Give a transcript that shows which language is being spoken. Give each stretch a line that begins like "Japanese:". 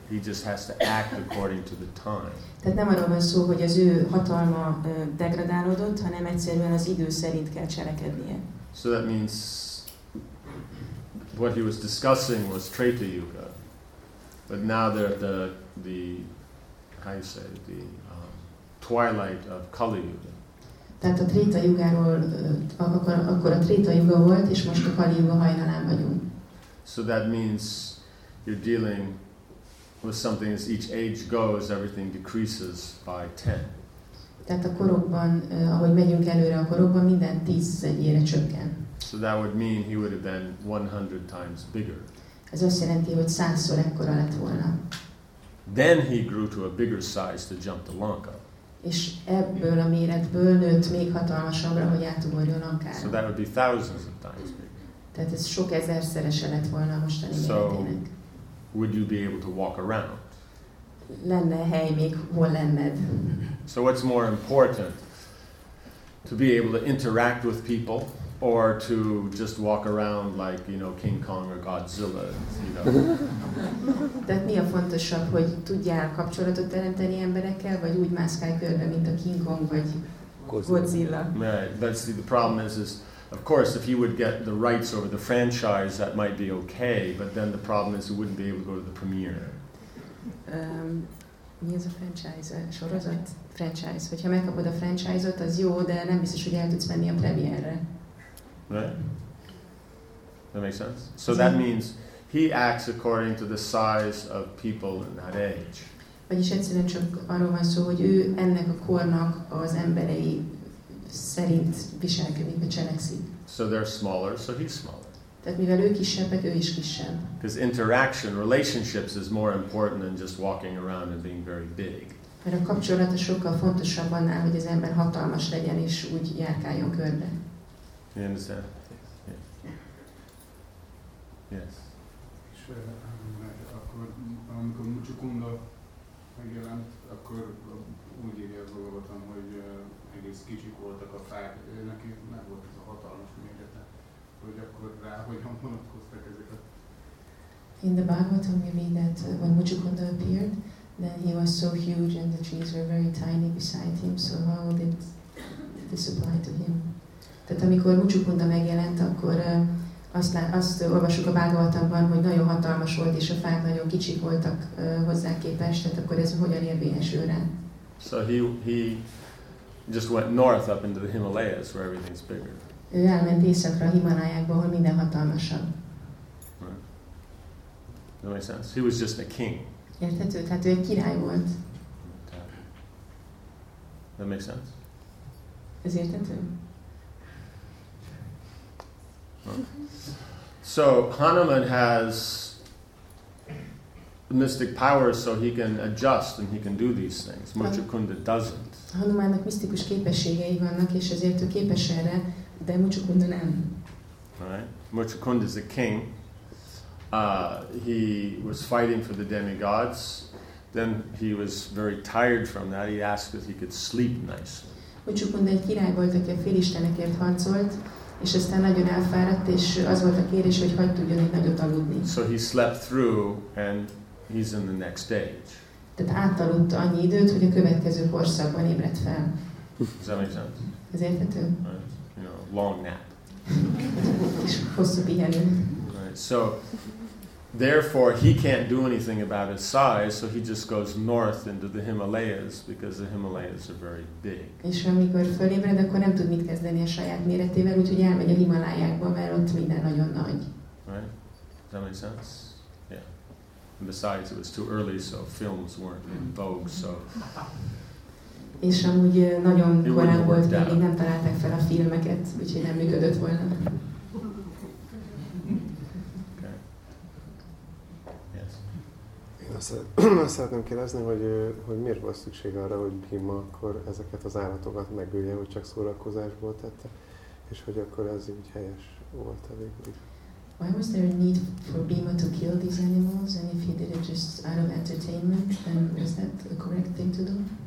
English: He just has to act according to the time.
Hungarian: Tehát nem arról van szó, hogy az ő hatalma degradálódott, hanem egyszerűen az idő szerint kell cselekednie.
English: So that means what he was discussing was Treta Yuga. But now they're at the how you say it, the twilight of Kali Yuga.
Hungarian: Tehát a Tréta Jugáról akkor a Tréta Juga volt, és most a Kali Juga hajnalán vagyunk.
English: So that means you're dealing with something as each age goes, everything decreases by 10.
Hungarian: Tehát a korokban, ahogy megyünk előre a korokban, minden 10 évre csökken.
English: So that would mean he would have been 100 times bigger.
Hungarian: Ez azt jelenti, hogy 100-szor ekkora lett volna.
English: Then he grew to a bigger size to jump to Lanka.
Hungarian: És ebből a méretből nőtt még hatalmasabbra, hogy átugorjon Lankára.
English: So that would be thousands of times bigger.
Hungarian: Tehát ez sok ezerszerese lett volna a mostani méretének.
English: So would you be able to walk around?
Hungarian: Lenne hely még, hol lenned?
English: So what's more important? To be able to interact with people? Or to just walk around like, you know, King Kong or Godzilla, you know.
Hungarian: Tehát mi a fontosabb, hogy tudjál kapcsolatot teremteni emberekkel, vagy úgy mászkálj körbe, mint a King Kong vagy Godzilla?
English: Right, but see, the problem is, of course, if he would get the rights over the franchise, that might be okay, but then the problem is he wouldn't be able to go to the premiere.
Hungarian: Mi az a franchise? Sorozat? Franchise. Hogyha megkapod a franchise-ot, az jó, de nem biztos, hogy el tudsz menni a premierre.
English: Right? That makes sense? So that means he acts according to the size of people in that age.
Hungarian: Vagyis egyszerűen csak arról van szó, hogy ő ennek a kornak az emberei szerint viselkedik, vagy cselekszik.
English: So they're smaller, so he's smaller.
Hungarian: Tehát mivel ő kisebbek, ő is kisebb.
English: Because interaction, relationships is more important than just walking around and being very big.
Hungarian: Mert a kapcsolat sokkal fontosabb annál, hogy az ember hatalmas legyen és úgy járkáljon körbe.
English: You understand? Yes. Yes.
Hungarian: Akkor amikor Mucsukunda megjelent, akkor úgy írja a Bhagavatam, hogy egész kicsik voltak a fák, neki meg volt ez a hatalmas mérete, hogy akkor rá hogyan vonatkoztak ezek a...
English: In the Bhagavatam you mean that when Mucsukunda appeared, then he was so huge and the trees were very tiny beside him, so how did this apply to him?
Hungarian: Tehát amikor Mucsukunda megjelent, akkor azt olvasuk a Bhagavatamban, hogy nagyon hatalmas volt, és a fák nagyon kicsik voltak hozzá képest, tehát akkor ez hogyan érvényesül rá?
English: So he just went north up into the Himalayas, where everything's bigger.
Hungarian: Ő elment északra a Himalájákba, ahol minden hatalmasabb.
English: Right. That makes sense. He was just a king.
Hungarian: Érthető? Tehát ő egy király volt.
English: That makes sense?
Hungarian: Ez érthető?
English: So Hanuman has mystic powers, so he can adjust and he can do these things. Mucsukunda doesn't.
Hungarian: Hanumannak misztikus képességei vannak, és ezért ő képes erre, de Mucsukunda nem.
English: Right? Mucsukunda is a king. He was fighting for the demigods. Then he was very tired from that. He asked if he could sleep nicely.
Hungarian: Mucsukunda egy király volt, aki a félistenekért harcolt. És aztán nagyon elfáradt, és az volt a kérés, hogy hagyd tudjon egy nagyot aludni.
English: So he slept through, and he's in the next stage.
Hungarian: Tehát átaludt annyi időt, hogy a következő korszakban ébredt fel.
English: Does that make sense?
Hungarian: Ez érthető?
English: Right. You know, long nap.
Hungarian: És hosszú pihenő.
English: Right. So, therefore, he can't do anything about his size, so he just goes north into the Himalayas because the Himalayas are very big.
Hungarian: És amikor fölébred, akkor nem tud mit kezdeni a saját méretével, úgyhogy elmegy a Himalájákba, mert ott minden nagyon nagy.
English: Right? Does that make sense? Yeah. And besides, it was too early, so films weren't in vogue, so.
Hungarian: És amúgy nagyon korán volt, még nem találták fel a filmeket, úgyhogy nem működött volna. Azt szeretném kérdezni, hogy miért volt szükség arra, hogy Bhima akkor ezeket az állatokat megölje, hogy csak szórakozásból tette, és hogy akkor ez így helyes volt a végül.
English: Why was there a need for Bhima to kill these animals, and if he did it just out of entertainment, then was that the correct thing to do?